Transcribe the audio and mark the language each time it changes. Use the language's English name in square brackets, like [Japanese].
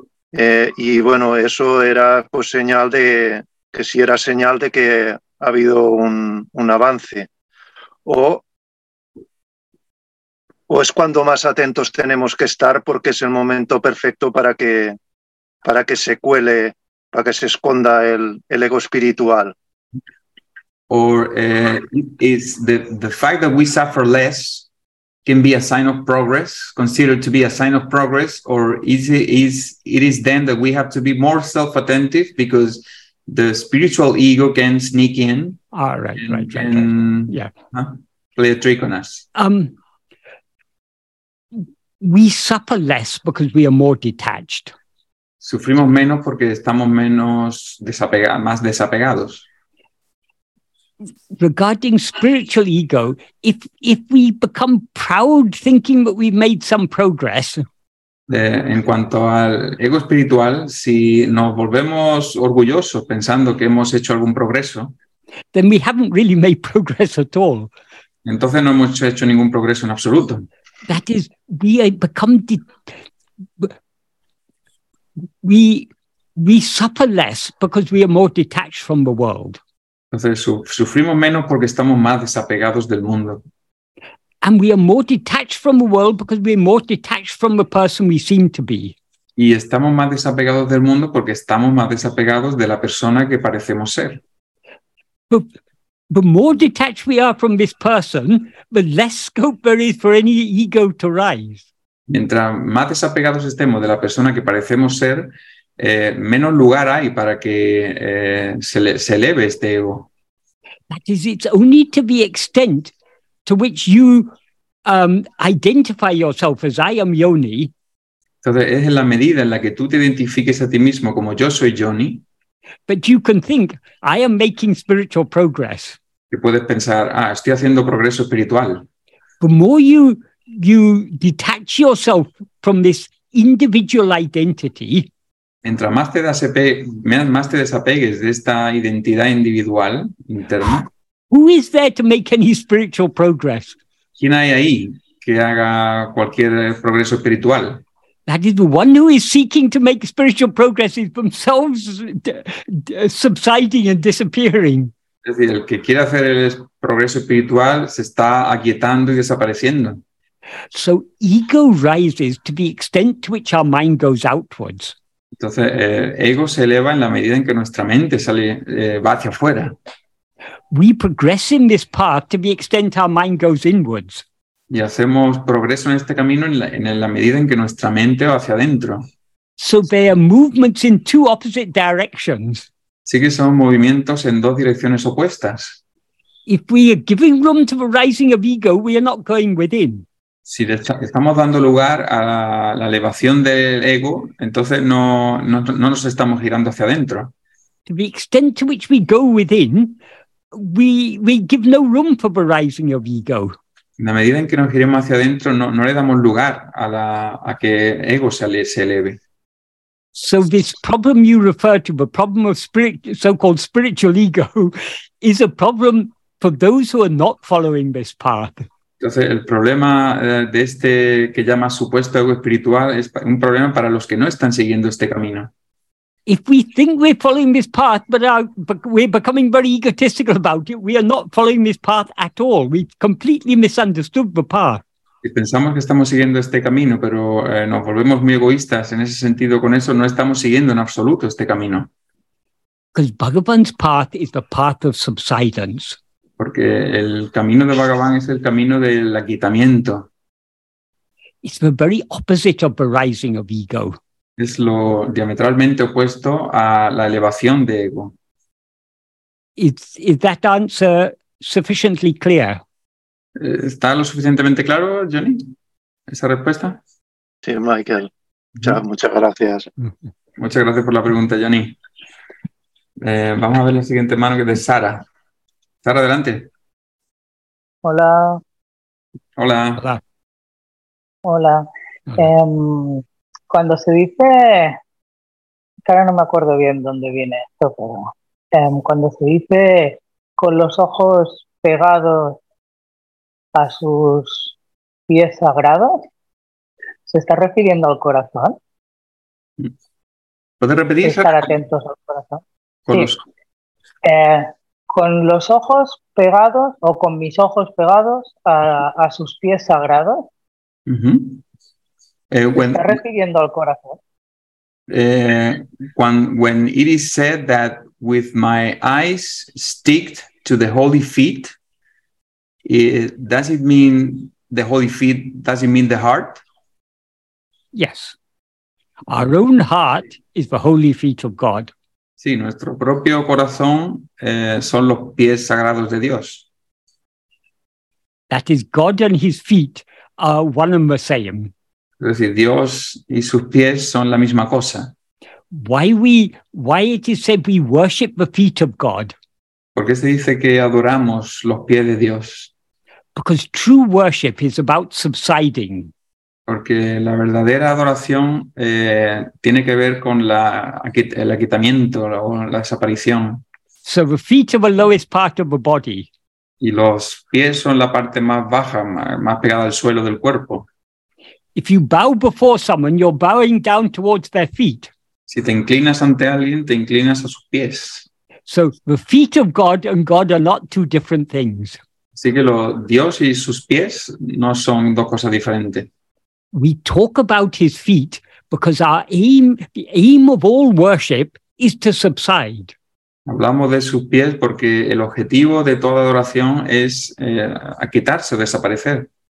[Spanish] Y bueno, eso era pues señal de que si era señal de que ha habido un avance. O es cuando más atentos tenemos que estar porque es el momento perfecto para que se cuele, para que se esconda el ego espiritual. [English] Or is the fact that we suffer less can be a sign of progress, considered to be a sign of progress, or is it then that we have to be more self-attentive because the spiritual ego can sneak in play a trick on us. We suffer less because we are more detached. [Spanish] Sufrimos menos porque estamos menos más desapegados. [English] Regarding spiritual ego, if we become proud thinking that we've made some progress. [Spanish] En cuanto al ego espiritual, si nos volvemos orgullosos pensando que hemos hecho algún progreso. [English] Then we haven't really made progress at all. [Spanish] Entonces no hemos hecho ningún progreso en absoluto. [English] That is, we become we suffer less because we are more detached from the world. [Spanish] Entonces sufrimos menos porque estamos más desapegados del mundo. [English] And we are more detached from the world because we are more detached from the person we seem to be. [Spanish] Y estamos más desapegados del mundo porque estamos más desapegados de la persona que parecemos ser. [English] The more detached we are from this person, the less scope there is for any ego to rise. [Spanish] Mientras más desapegados estemos de la persona que parecemos ser, menos lugar hay para que se eleve este ego. [English] That is, it's only to the extent to which you identify yourself as I am Yoni. [Spanish] Entonces, es en la medida en la que tú te identifiques a ti mismo como yo soy Yoni. [English] But you can think, I am making spiritual progress. [Spanish] Y puedes pensar, estoy haciendo progreso espiritual. [English] The more you detach yourself from this individual identity, [Spanish] mientras más te desapegues de esta identidad individual interna, [English] who is there to make any spiritual progress? [Spanish] ¿Quién hay ahí que haga cualquier progreso espiritual? [English] That is, the one who is seeking to make spiritual progress is themselves subsiding and disappearing. [Spanish] Es decir, el que quiere hacer el progreso espiritual se está aquietando y desapareciendo. [English] So ego rises to the extent to which our mind goes outwards. [Spanish] Entonces, ego se eleva en la medida en que nuestra mente sale va hacia afuera. [English] We progress in this path to the extent our mind goes inwards. [Spanish] Y hacemos progreso en este camino en la medida en que nuestra mente va hacia adentro. [English] So there are movements in two opposite directions. [Spanish] Sí que son movimientos en dos direcciones opuestas. [English] If we are giving room to the rising of ego, we are not going within. [Spanish] Si estamos dando lugar a la elevación del ego, entonces no nos estamos girando hacia adentro. [English] To the extent to which we go within, we give no room for the rising of ego. [Spanish] En la medida en que nos giremos hacia adentro, no le damos lugar a que ego se eleve. [English] So this problem you refer to, the problem of so-called spiritual ego, is a problem for those who are not following this path. [Spanish] Entonces, el problema de este que llamas supuesto ego espiritual es un problema para los que no están siguiendo este camino. [English] If we think we're following this path, but we're becoming very egotistical about it, we are not following this path at all. We've completely misunderstood the path. [Spanish] Si pensamos que estamos siguiendo este camino, pero nos volvemos muy egoístas en ese sentido con eso, no estamos siguiendo en absoluto este camino. [English] Because Bhagavan's path is the path of subsidence. [Spanish] Porque el camino de Bhagavan es el camino del aquietamiento. [English] It's the very opposite of the rising of ego. [Spanish] Es lo diametralmente opuesto a la elevación de ego. [English] Is that answer sufficiently clear? [Spanish] ¿Está lo suficientemente claro, Johnny, esa respuesta? Sí, Michael. Muchas gracias. Muchas gracias por la pregunta, Johnny. Vamos a ver la siguiente mano, que es de Sara. Sara, adelante. Hola. Hola. Hola. Hola. Cuando se dice, ahora no me acuerdo bien dónde viene esto, pero cuando se dice con los ojos pegados a sus pies sagrados, ¿se está refiriendo al corazón? ¿Puedes repetir? Estar atentos al corazón. Con, sí. Con los ojos pegados o con mis ojos pegados a sus pies sagrados. Uh-huh. [English] When, [Spanish] ¿está refiriendo al corazón? [English] When it is said that with my eyes sticked to the holy feet, does it mean the heart? Yes. Our own heart is the holy feet of God. [Spanish] Sí, nuestro propio corazón son los pies sagrados de Dios. [English] That is, God and his feet are one and the same. [Spanish] Es decir, Dios y sus pies son la misma cosa. [English] Why it is said we worship the feet of God? [Spanish] ¿Por qué se dice que adoramos los pies de Dios? [English] Because true worship is about subsiding. [Spanish] Porque la verdadera adoración tiene que ver con el aquietamiento o la desaparición. [English] So the feet are the lowest part of the body. [Spanish] Y los pies son la parte más baja, más pegada al suelo del cuerpo. [English] If you bow before someone, you're bowing down towards their feet. [Spanish] Si te inclinas ante alguien, te inclinas a sus pies. [English] So the feet of God and God are not two different things. [Spanish] Así que Dios y sus pies no son dos cosas diferentes. [English] We talk about his feet because our aim, the aim of all worship, is to subside. [Spanish] Hablamos de sus pies porque el objetivo de toda adoración es aquietarse, desaparecer.